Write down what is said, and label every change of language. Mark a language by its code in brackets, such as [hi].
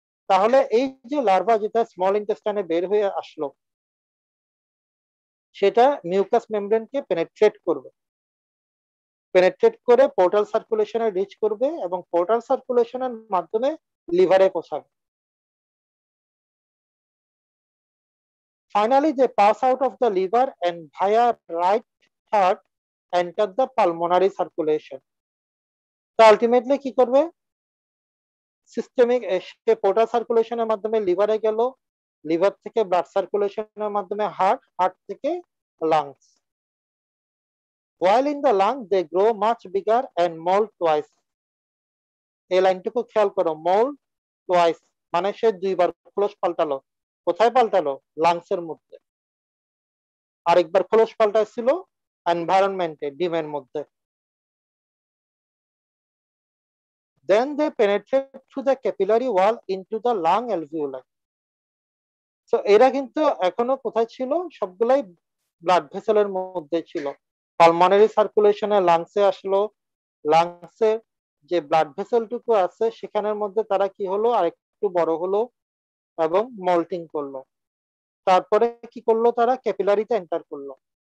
[bn] তাহলে এই যে লার্ভা যেটা স্মল ইন্টেস্টাইনে বের হয়ে আসলো, সেটা মিউকাস মেমব্রেন কে পেনেট্রেট করবে, পেনেট্রেট করে পোর্টাল সার্কুলেশনে রিচ করবে, এবং পোর্টাল সার্কুলেশনের মাধ্যমে লিভারে পৌঁছাবে। [en] Finally, they pass out of the liver and via right heart enter the pulmonary circulation. [bn] তো আলটিমেটলি কি করবে, সিস্টেমিক এসে পোর্টাল সার্কুলেশনের মাধ্যমে লিভারে গেল, লিভার থেকে ব্লাড সার্কুলেশনের মাধ্যমে হার্ট, হার্ট থেকে lungs. [en] While in the lung they grow much bigger and mould twice. [bn] এই লাইনটুকু খেয়াল করো, মোল্ড টোয়াইস মানে সে দুইবার খোলস পাল্টালো, কোথায় পাল্টালো, লাংসের মধ্যে, আরেকবার খোলস পাল্টাইছিল এনভায়রনমেন্টে ডিমের মধ্যে। [en] Then they penetrate through the capillary wall into the lung alveoli. [bn] So, এরা কিন্তু এখনো কোথায় ছিল, সবগুলাই ব্লাড ভেসেল এর মধ্যে ছিল, পালমোনারি সার্কুলেশনে লাংসে আসলো, লাংসে যে ব্লাড ভেসেলটুকু আছে সেখানের মধ্যে তারা কি হলো, আরেকটু বড় হলো এবং মল্টিং করলো, তারপরে কি করলো, তারা ক্যাপিলারিতে এন্টার করলো।